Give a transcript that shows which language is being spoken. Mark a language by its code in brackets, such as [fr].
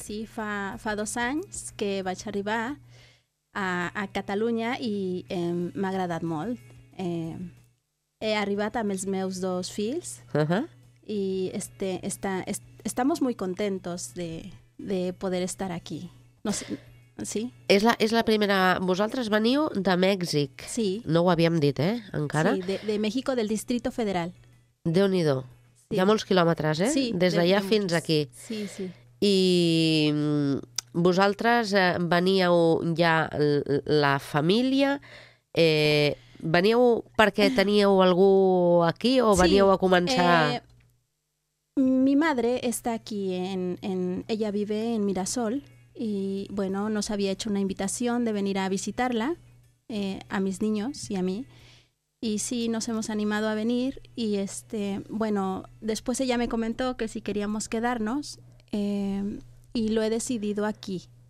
[ca] Sí, fa 2 anys que vaig arribar a Catalunya i m'ha agradat molt. He arribat amb els meus dos fills i [es] estamos muy contentos de poder estar aquí. [ca] No sé, sí? És la primera... Vosaltres veniu de Mèxic. Sí. No ho havíem dit, encara. [es] Sí, de México, del Distrito Federal. [ca] Déu-n'hi-do. Sí. Hi ha molts quilòmetres, Sí, des d'allà fins aquí. Sí, sí. I vosaltres veníeu ja la família, veníeu perquè teníeu algú aquí o veníeu a començar? [es] Mi madre está aquí, ella vive en Mirassol y bueno, nos había hecho una invitación de venir a visitarla, a mis niños y a mí. Y sí, nos hemos animado a venir y bueno, después ella me comentó que si queríamos quedarnos y lo he decidido aquí.